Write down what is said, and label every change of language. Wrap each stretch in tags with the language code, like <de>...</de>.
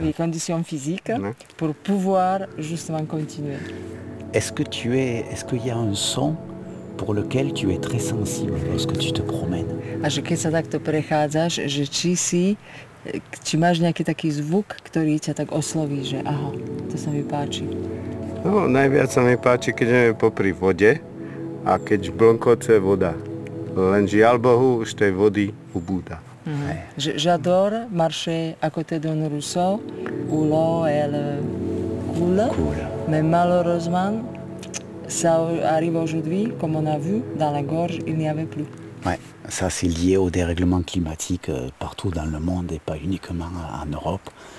<fr>Oui, condition physique pour pouvoir justement continuer. Est-ce qu'il y a un son pour lequel tu es très sensible lorsque tu te promènes?</fr> <sk>A že keď sa takto prechádzaš, že či máš nejaký taký zvuk, ktorý ťa tak osloví, že aha, to sa mi páči. No, najviac sa mi páči, keď je popri vode a keď blnkoce voda. Len žiaľ Bohu, už tej vody ubúda.</sk> <fr>J'adore marcher à côté d'un ruisseau où l'eau elle coule. Mais malheureusement, ça arrive aujourd'hui, comme on a vu, dans la gorge, il n'y avait plus. Ouais, ça c'est lié au dérèglement climatique partout dans le monde et pas uniquement en Europe.</fr>